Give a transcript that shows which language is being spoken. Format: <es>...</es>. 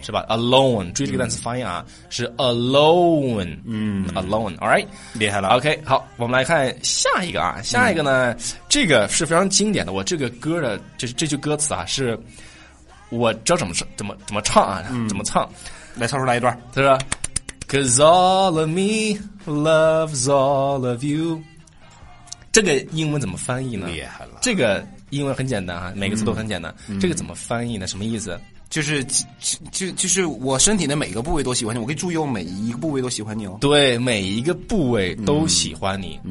<zh>是吧 ？alone， 注意这个单词发音啊，是 alone， alone，all right，厉害了，OK， 好，我们来看下一个啊，下一个呢、这个是非常经典的，我这个歌的这句歌词啊，是我知道怎么唱啊，怎么唱，来唱出来一段，他说。</zh> <en>Cause all of me loves all of you.</en> <zh>这个英文怎么翻译呢？厉害了！这个英文很简单啊，每个字都很简单。嗯、这个怎么翻译呢？什么意思？就是我身体的每一个部位都喜欢你，我可以注意每一个部位都喜欢你哦。对，每一个部位都喜欢你。</zh>